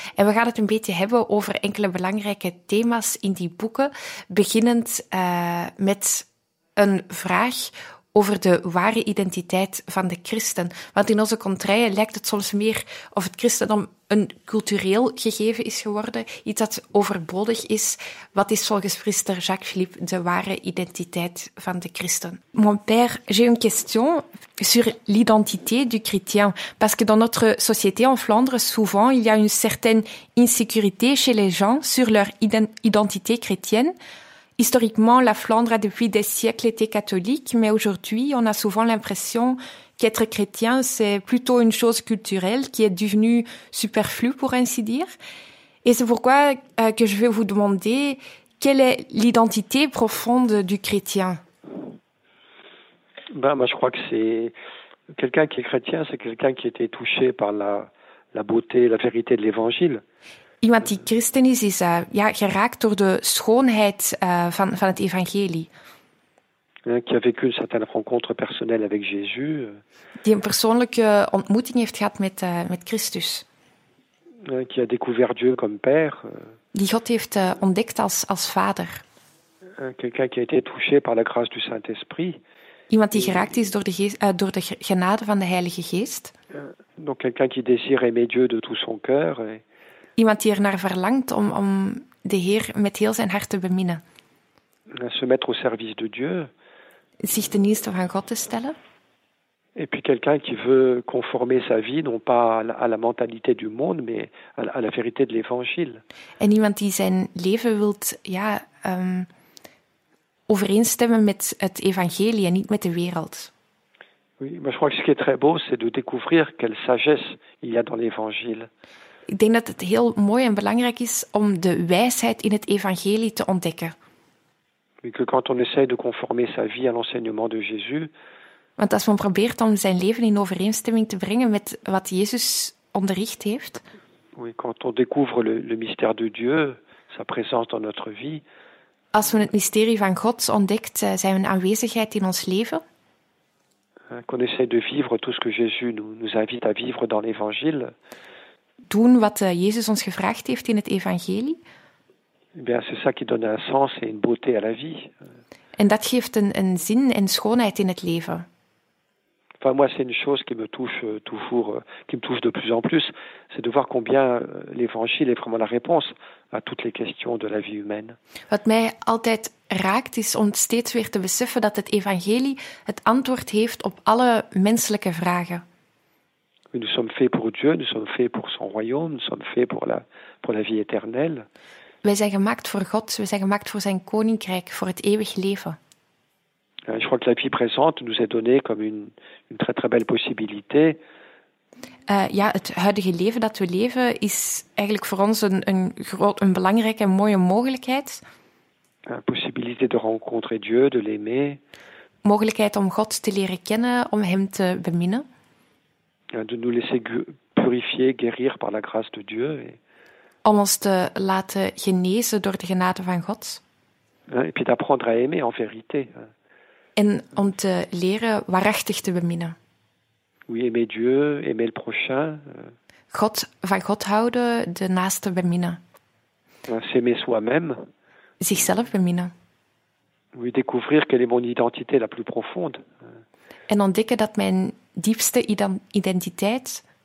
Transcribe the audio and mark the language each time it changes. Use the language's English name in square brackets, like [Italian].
[Dutch] En we gaan het een beetje hebben over enkele belangrijke thema's in die boeken, beginnend met een vraag over de ware identiteit van de christen. Want in onze contraien lijkt het soms meer of het christendom een cultureel gegeven is geworden, iets dat overbodig is. Wat is volgens priester Jacques-Philippe de ware identiteit van de christen? [French] Mon père, j'ai une question sur l'identité du chrétien. Parce que dans notre société en Flandre, souvent, il y a une certaine insécurité chez les gens sur leur identité chrétienne. Historiquement, la Flandre a depuis des siècles été catholique, mais aujourd'hui, on a souvent l'impression qu'être chrétien, c'est plutôt une chose culturelle qui est devenue superflue, pour ainsi dire. Et c'est pourquoi que je vais vous demander, quelle est l'identité profonde du chrétien? Moi, je crois que c'est quelqu'un qui est chrétien, c'est quelqu'un qui a été touché par la beauté, la vérité de l'Évangile. [Dutch] Iemand die christen is, is geraakt door de schoonheid van het evangelie. [French] Qui a vécu une certaine rencontre personnelle avec Jésus. [Dutch] Die een persoonlijke ontmoeting heeft gehad met Christus. [French] Qui a découvert Dieu comme père. [Dutch] Die God heeft ontdekt als vader. [French] Quelqu'un qui a été touché par la grâce du Saint-Esprit. [Dutch] Iemand die geraakt is door de genade van de Heilige Geest. [French] Donc quelqu'un qui désire aimer Dieu de tout son cœur. [Dutch] Iemand die er naar verlangt om de Heer met heel zijn hart te beminnen. [French] Se mettre au service de Dieu. [Dutch] Zich ten dienste van God te stellen. [French] Et puis quelqu'un qui veut conformer sa vie, non pas à la mentalité du monde, mais à la vérité de l'évangile. [Dutch] En iemand die zijn leven wilt, ja, overeenstemmen met het evangelie en niet met de wereld. [French] Oui, moi je crois que ce qui est très beau, c'est de découvrir quelle sagesse il y a dans l'évangile. [Dutch] Ik denk dat het heel mooi en belangrijk is om de wijsheid in het evangelie te ontdekken. [French] Mais que quand on essaie de conformer sa vie à l'enseignement de Jésus. [Dutch] Want als men probeert om zijn leven in overeenstemming te brengen met wat Jezus onderricht heeft. [French] Oui, quand on découvre le mystère de Dieu, sa présence dans notre vie. [Dutch] Als men het mysterie van God ontdekt, zijn aanwezigheid in ons leven. [French] Qu'on essaie de vivre tout ce que Jésus nous invite à vivre dans l'évangile. [Dutch] Doen wat Jezus ons gevraagd heeft in het evangelie. [French] Bien, c'est ça qui donne un sens et une beauté à la vie. [Dutch] En dat geeft een zin en schoonheid in het leven. [French] Enfin, moi, c'est une chose qui me touche toujours, qui me touche de plus en plus, c'est de voir combien l'évangile est vraiment la réponse à toutes les questions de la vie humaine. [Dutch] Wat mij altijd raakt, is om steeds weer te beseffen dat het evangelie het antwoord heeft op alle menselijke vragen. [French] Nous sommes faits pour Dieu, nous sommes faits pour son royaume, nous sommes faits pour la vie éternelle. [Dutch] Wij zijn gemaakt voor God, wij zijn gemaakt voor zijn koninkrijk, voor het eeuwig leven. [French] Je crois que la vie présente nous est donnée comme une très très belle possibilité. [Dutch] Ja, het huidige leven dat we leven is eigenlijk voor ons een belangrijke en mooie mogelijkheid. [French] Une possibilité de rencontrer Dieu, de l'aimer. [Dutch] Mogelijkheid om God te leren kennen, om hem te beminnen. [French] De nous laisser purifier, guérir par la grâce de Dieu. [Dutch] Om ons te laten genezen door de genade van God. [French] Et puis d'apprendre à aimer en vérité. [Dutch] En om te leren waarachtig te beminnen. [French] Oui, aimer Dieu, aimer le prochain. [Dutch] God, van God houden, de naaste beminnen. [French] S'aimer soi-même. [Dutch] Zichzelf beminnen. [French] Oui, découvrir quelle est mon identité la plus profonde. [Dutch] En ontdekken dat mijn diepste identiteit.